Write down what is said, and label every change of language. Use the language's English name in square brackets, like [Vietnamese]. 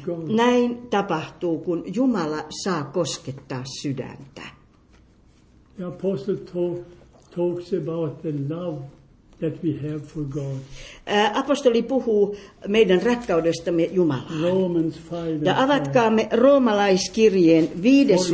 [Finnish] Näin tapahtuu, kun Jumala saa koskettaa sydäntä. [English] The apostle talks about the love that we have for God. [Finnish] Apostoli puhuu meidän rakkaudestamme Jumalaan. [English] Romans 5. [Finnish] Ja avatkaamme roomalaiskirjeen 5.